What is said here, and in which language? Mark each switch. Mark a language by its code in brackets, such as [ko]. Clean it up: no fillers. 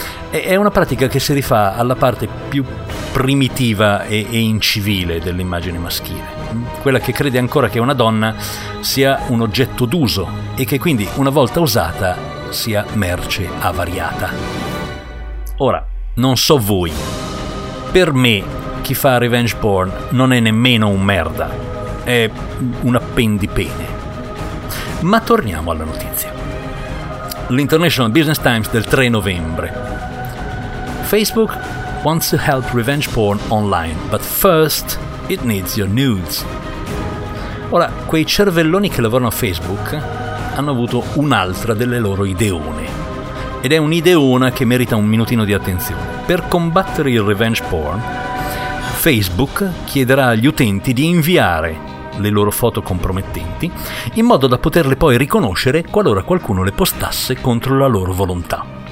[it] È una pratica che si rifà alla parte più primitiva e incivile dell'immagine maschile, quella che crede ancora che una donna sia un oggetto d'uso e che quindi, una volta usata, sia merce avariata. Ora, non so voi, per me chi fa revenge porn non è nemmeno un merda, è un appendipene. Ma torniamo alla notizia. L'International Business Times del 3 novembre. [en] Facebook wants to help revenge porn online, but first it needs your nudes. [it] Ora, quei cervelloni che lavorano a Facebook hanno avuto un'altra delle loro ideone. Ed è un'ideona che merita un minutino di attenzione. Per combattere il revenge porn, Facebook chiederà agli utenti di inviare le loro foto compromettenti in modo da poterle poi riconoscere qualora qualcuno le postasse contro la loro volontà.